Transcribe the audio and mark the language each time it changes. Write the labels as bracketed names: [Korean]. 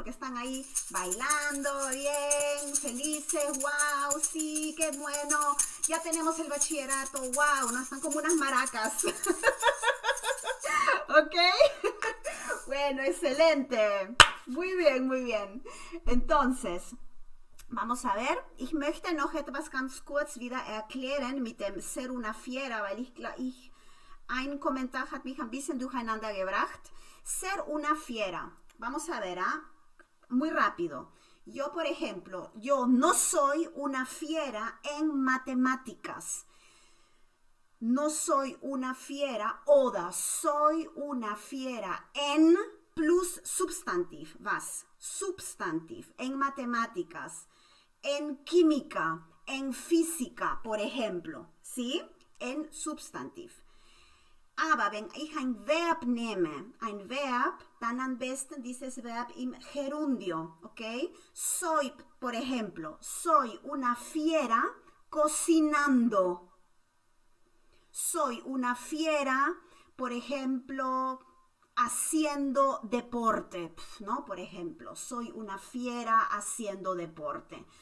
[Spanish] Porque están ahí bailando bien, felices, wow, sí, qué bueno, ya tenemos el bachillerato, wow, ¿no? Están como unas maracas, ¿ok? Bueno, excelente, muy bien, muy bien. [German] Entonces, vamos a ver, ich möchte noch etwas ganz kurz wieder erklären mit dem ser una fiera, weil ein Kommentar hat mich ein bisschen durcheinander gebracht. [Spanish] Ser una fiera. Vamos a ver, ¿ah? Muy rápido. Yo, por ejemplo, yo no soy una fiera en matemáticas. No soy una fiera, oda, soy una fiera en plus substantiv. Was? Substantiv. En matemáticas, en química, en física, por ejemplo. ¿Sí? En substantiv. [German] Aber wenn ich ein Verb nehme, ein Verb, dann am besten dieses Verb im Gerundio, ¿ok? [Spanish] Soy, por ejemplo, soy una fiera cocinando. Soy una fiera, por ejemplo, haciendo deporte, ¿no? Por ejemplo, soy una fiera haciendo deporte.